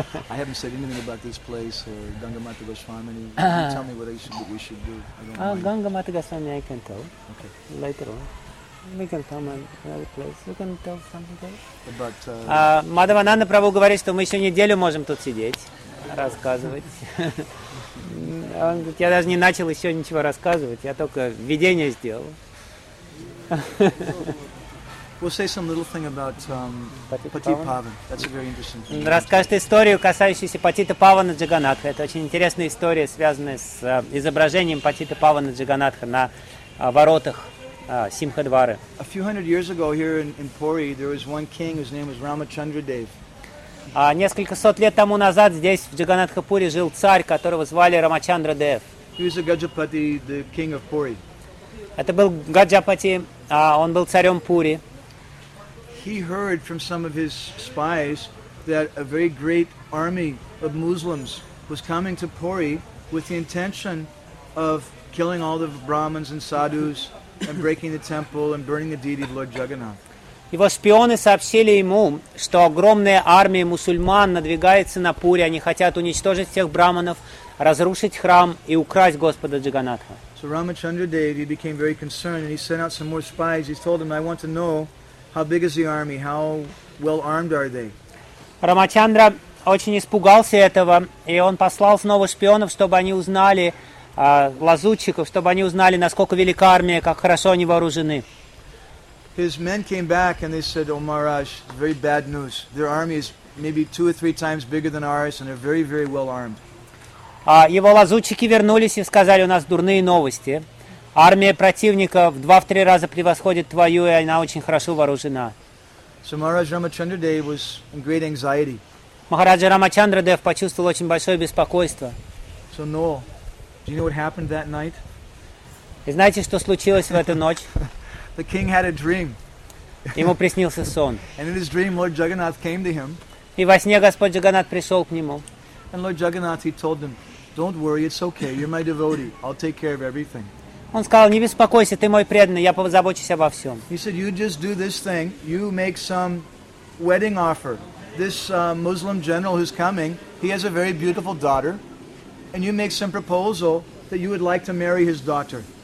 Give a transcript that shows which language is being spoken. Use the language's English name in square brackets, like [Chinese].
[English] I haven't said anything about this place or Ganga Mata Goswami. Tell me what we should do. Ganga Mata Goswami, I can tell. Okay. Later on. We can tell another place. We can tell something else. But [Russian] Madhavananda Prabhu говорит, что мы еще неделю можем тут сидеть, рассказывать. Он говорит, я даже не начал еще ничего рассказывать, я только введение сделал. [English] We'll say some little thing about Patita Pavan. That's a very interesting thing. [Russian] Расскажет историю, касающуюся Патита Павана Джаганатха. Это очень интересная история, связанная с изображением Патита Павана Джаганатха на воротах Simhadvara. [English] A few hundred years ago here in Puri, there was one king whose name was Ramachandra Dev. [Russian] Несколько сот лет тому назад здесь, в Джаганатхапуре, жил царь, которого звали Рамачандра Дев. [English] He was a Gajapati, the king of Puri. [Russian] Это был Гаджапати, он был царем Пури. [English] He heard from some of his spies that a very great army of Muslims was coming to Puri with the intention of killing all the Brahmins and Sadhus and breaking the temple and burning the deity of Lord Jagannath. [Russian] Его шпионы сообщили ему, что огромная армия мусульман надвигается на Пури, они хотят уничтожить всех брахманов, разрушить храм и украсть Господа Джаганатха. [English] So Ramachandra Dev, he became very concerned and he sent out some more spies. He told them, I want to know how big is the army, how well armed are they? [Russian] Рамачандра очень испугался этого, и он послал снова шпионов, чтобы они узнали, лазутчиков, чтобы они узнали, насколько велика армия, как хорошо они вооружены. [English] His men came back and they said, oh, Maharaj, very bad news. Their army is maybe two or three times bigger than ours and they're very, very well armed. [Russian] Его лазутчики вернулись и сказали, у нас дурные новости. Армия противника в 2-3 раза превосходит твою, и она очень хорошо вооружена. [English] So Maharaj Ramachandra Dev was in great anxiety. [Russian] Махараджа Рамачандра Дев почувствовал очень большое беспокойство. [English] So Noel, do you know what happened that night? [Russian] И знаете, что случилось в эту ночь? [English] The king had a dream. [Russian] Ему приснился сон. [English] And in his dream, Lord Jagannath came to him. [Russian] И во сне Господь Джаганат пришел к нему. [English] And Lord Jagannath, he told him, "Don't worry, it's okay. You're my devotee. I'll take care of everything." [Russian] Он сказал, не беспокойся, ты мой преданный, я позабочусь обо всем. [English] He said, "You just do this thing. You make some wedding offer. This Muslim general who's coming, he has a very beautiful daughter, and you make some proposal that you would like to marry his daughter."